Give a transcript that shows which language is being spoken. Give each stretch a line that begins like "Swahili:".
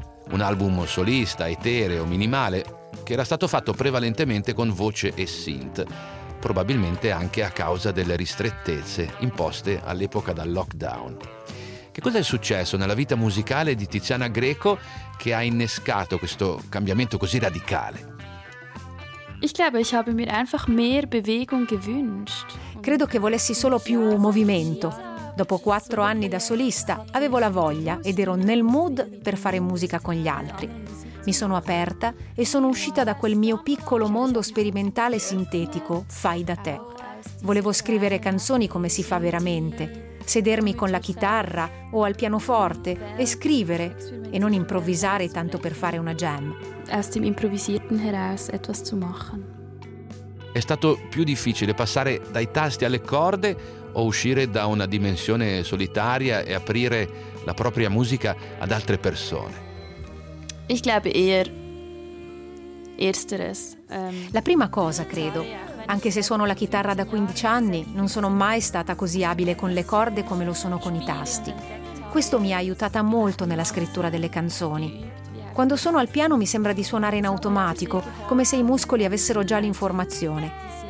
Italian: Un album solista, etereo, minimale, che era stato fatto prevalentemente con voce e synth, probabilmente anche a causa delle ristrettezze imposte all'epoca dal lockdown. Che cosa è successo nella vita musicale di Tiziana Greco che ha innescato questo cambiamento così radicale?
German: Ich glaube, ich habe mir einfach mehr Bewegung gewünscht.
Italian: Credo che volessi solo più movimento. Dopo 4 anni da solista, avevo la voglia ed ero nel mood per fare musica con gli altri. Mi sono aperta e sono uscita da quel mio piccolo mondo sperimentale sintetico, fai da te. Volevo scrivere canzoni come si fa veramente, sedermi con la chitarra o al pianoforte e scrivere, e non improvvisare tanto per fare una jam.
German: Aus dem Improvisierten heraus etwas zu machen.
Italian: È stato più difficile passare dai tasti alle corde o uscire da una dimensione solitaria e aprire la propria musica ad altre persone?
German: Ich glaube eher ersteres.
Italian: La prima cosa, credo. Anche se suono la chitarra da 15 anni, non sono mai stata così abile con le corde come lo sono con i tasti. Questo mi ha aiutata molto nella scrittura delle canzoni. Quando sono al piano mi sembra di suonare in automatico, come se i muscoli avessero già l'informazione.